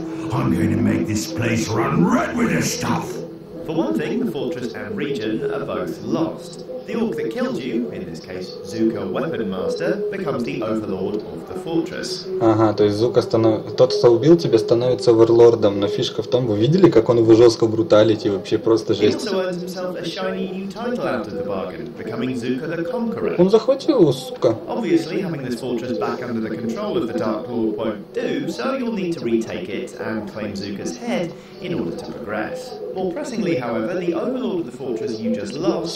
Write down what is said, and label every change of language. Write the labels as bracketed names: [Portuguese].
[English] I'm going to make this place run red with this stuff. For one thing, the fortress and region are both lost. The orc that killed you, in this case Zuko Weapon Master, becomes the overlord of the fortress. [Russian] Ага, то есть Зука тот, кто убил тебя, становится оверлордом. Но фишка в том, вы видели, как он его жестко бруталити, вообще просто жесть. [English] He also earns himself a shiny new title out of the bargain, becoming Zuko the Conqueror. [Russian] Он захватил его, сука. [English] Obviously, having this fortress back under the control of the Dark Lord won't do, so you'll need to retake it and claim Zuka's head in order to progress. More pressingly, however, the overlord of the fortress you just lost.